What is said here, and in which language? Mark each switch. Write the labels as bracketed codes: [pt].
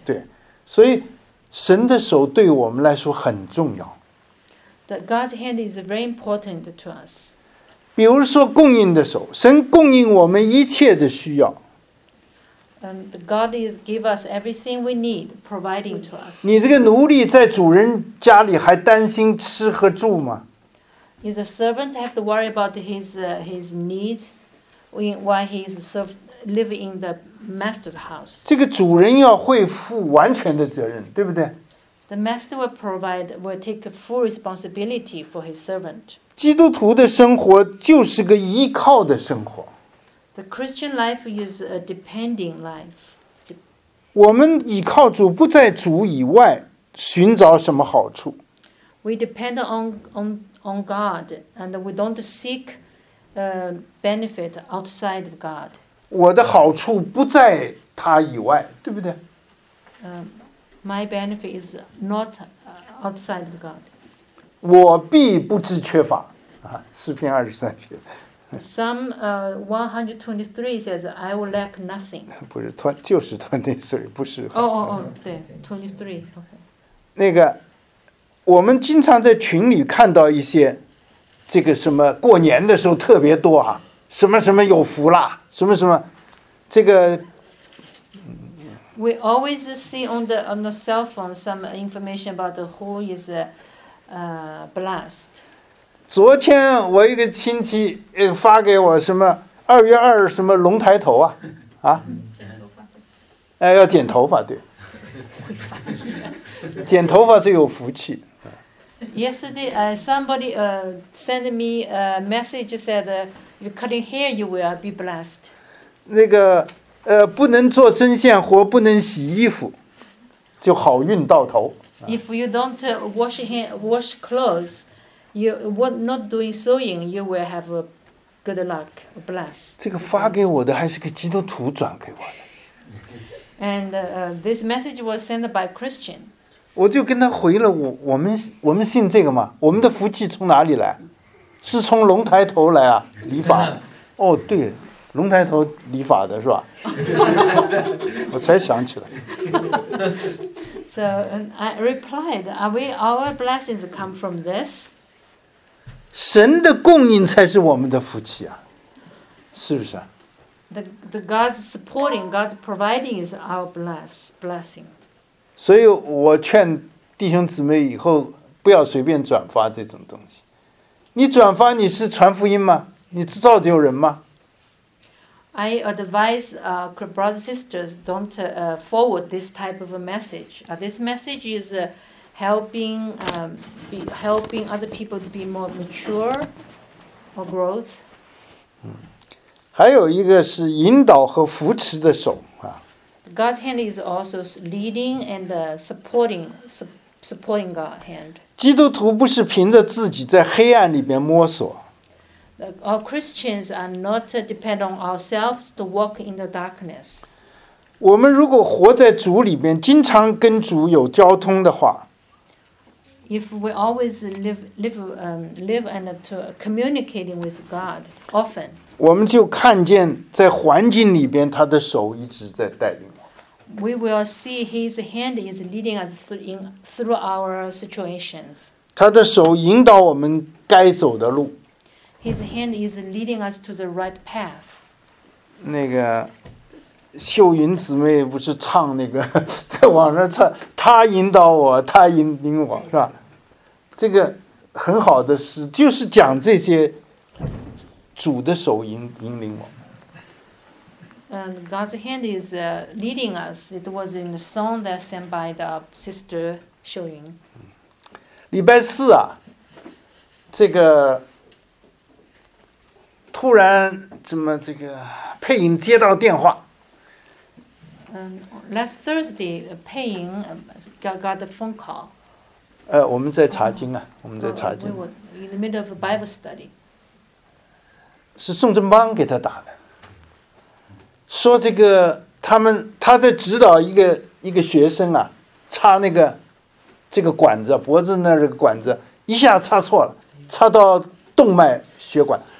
[zh] 对，所以神的手对我们来说很重要。 [en] That God's hand is very important to us. [zh] 比如说供应的手，神供应我们一切的需要。 [en] God is give us everything we need, providing to us. [zh] 你这个奴隶在主人家里还担心吃和住吗？ [en] Is a servant have to worry about his needs while he is living in the master's house? [zh] 这个主人要会负完全的责任，对不对？ [en] The master will take full responsibility for his servant. [zh] 基督徒的生活就是个依靠的生活。 [en] The Christian life is a depending life. [zh] 我们依靠主，不在主以外寻找什么好处。 [en] We depend on God, and we don't seek benefit outside of God. [zh] 我的好处不在他以外，对不对？ [en] My benefit is not outside of God. [zh] 我必不致缺乏，诗篇二十三篇。 [en] Psalm 123 says, "I will lack nothing." [zh] 不是20，就是23，不是。对，23，OK。那个。我们经常在群里看到一些这个什么过年的时候特别多啊，什么什么有福啦，什么什么这个 [en] We always see on the cell phone some information about who is blessed. [zh] 昨天我一个亲戚发给我什么二月二什么龙抬头啊啊，哎，要剪头发，对，剪头发最有福气。 [en] Yesterday, somebody sent me a message said, "You cutting hair, you will be blessed." [zh] 那个不能做针线活，不能洗衣服，就好运到头。 [en] If you don't wash clothes, you were not doing sewing, you will have a good luck, a bless. [zh] 这个发给我的还是个基督徒转给我的。 [en] And this message was sent by Christian. [zh] 我就跟他回了，我们信这个嘛，我们的福气从哪里来？是从龙抬头来啊，理发。哦，对。龙抬头理发的是吧？我才想起来。 [en] So I replied, "Are we our blessings come from this?" [zh] 神的供应才是我们的福气啊，是不是啊 [en] ？The God's supporting, God's providing is our blessing. [zh] 所以我劝弟兄姊妹以后不要随便转发这种东西。你转发你是传福音吗？你是造就人吗？ [en] I advise brothers and sisters don't forward this type of a message. This message is helping other people to be more mature or growth. [zh] 还有一个是引导和扶持的手啊。 [en] God's hand is also leading and supporting God's hand. [zh] 基督徒不是凭着自己在黑暗里面摸索。 [en] All Christians are not depend on ourselves to walk in the darkness. [zh] 我们如果活在主里面，经常跟主有交通的话 [en] ，If we always live and to communicating with God often, [zh] 我们就看见在环境里边他的手一直在带领我们。 [en] We will see His hand is leading us through our situations. [zh] 他的手引导我们该走的路。 [en] His hand is leading us to the right path. [zh] 那个秀云姊妹不是唱那个在网上唱，他引导我，他引领我，是吧？这个很好的诗，就是讲这些主的手引领我。 [en] God's hand is leading us. It was in the song that sent by the sister 秀云。 [zh] 礼拜四啊，这个。突然怎么这个佩颖接到电话。 [en] Last Thursday, 佩颖 got a phone call. [zh] 我们在查经啊，我们在查经。 [en] We were in the middle of a Bible study. [zh] 是宋正邦给他打的。说这个他在指导一个学生啊，插那个这个管子，脖子那个管子一下插错了，插到动脉血管。